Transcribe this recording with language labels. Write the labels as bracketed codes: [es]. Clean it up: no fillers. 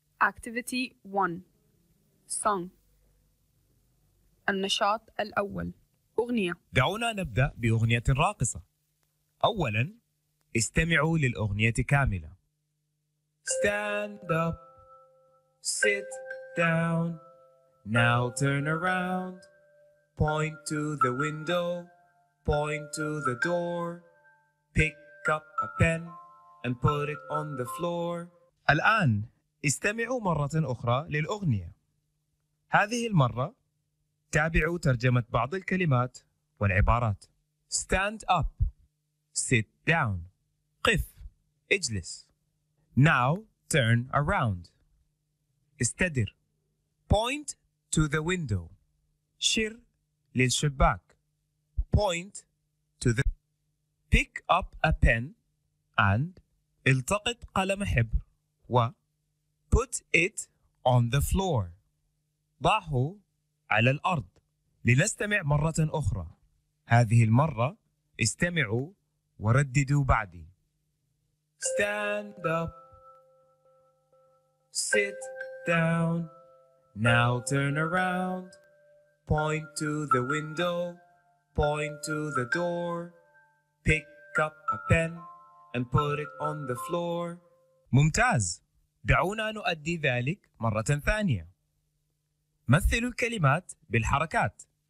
[en] Activity 1 Song. [ar] النشاط الأول أغنية. دعونا نبدأ بأغنية راقصة. أولا استمعوا للأغنية كاملة. [en] Stand up, sit down, now turn around, point to the window, point to the door, pick up a pen and put it on the floor. [ar] الآن استمعوا مرة أخرى للأغنية. هذه المرة تابعوا ترجمة بعض الكلمات والعبارات. [en] Stand up, sit down. [ar] قف، اجلس. [en] Now turn around. [ar] استدر. [en] Point to the window. [ar] شر للشباك. [en] Point to the... Pick up a pen and... [ar] التقط قلم حبر و... [en] Put it on the floor. [ar] ضعه على الأرض. لنستمع مرة أخرى. هذه المرة استمعوا ورددوا بعدي. [en] Stand up. Sit down. Now turn around. Point to the window. Point to the door. Pick up a pen and put it on the floor. [ar] ممتاز. دعونا نؤدي ذلك مرة ثانية. مثلوا الكلمات بالحركات.